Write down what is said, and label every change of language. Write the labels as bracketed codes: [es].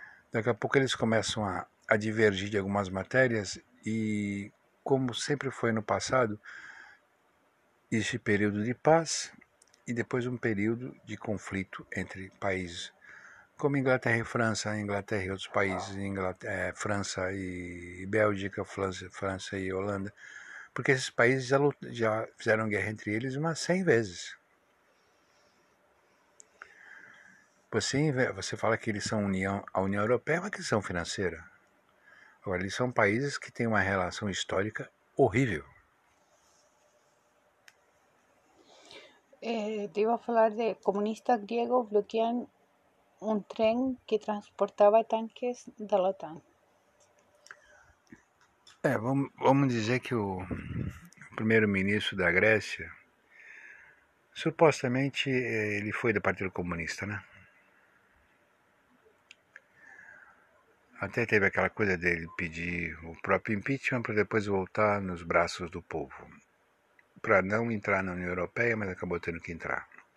[pt] Daqui a pouco eles começam a divergir de algumas matérias e, como sempre foi no passado, existe período de paz e depois um período de conflito entre países, como Inglaterra e França, Inglaterra e outros países, França e Bélgica, França e Holanda, porque esses países já fizeram guerra entre eles umas 100 vezes. Você fala que eles são a União Europeia, mas que são financeira. Agora, eles são países que têm uma relação histórica horrível. [es] Te iba a hablar de comunistas griegos bloquean un tren que transportaba tanques de la OTAN. [pt] Vamos dizer que o primeiro-ministro da Grécia, supostamente ele foi do Partido Comunista, né? Até teve aquela coisa dele pedir o próprio impeachment para depois voltar nos braços do povo, para não entrar na União Europeia, mas acabou tendo que entrar.